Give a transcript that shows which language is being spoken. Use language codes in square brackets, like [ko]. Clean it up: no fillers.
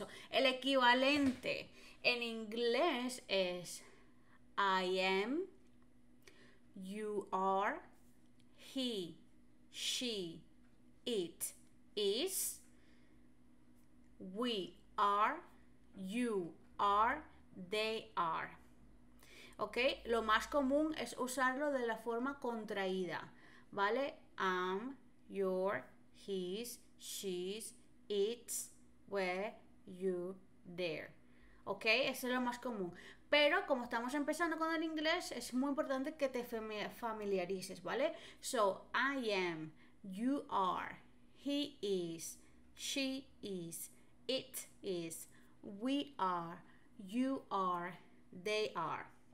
[es] El equivalente en inglés es [en] I am, you are, he, she, it, is, we are, you are, they are. ¿Ok? [es] Lo más común es usarlo de la forma contraída. ¿Vale? [en] I'm, your, his, she's, it's, we're, you, there. [es] ¿Ok? Eso es lo más común. Pero como estamos empezando con el inglés, es muy importante que te familiarices. ¿Vale? [en] So, I am, you are, he is, she is, it is, we are, you are, they are.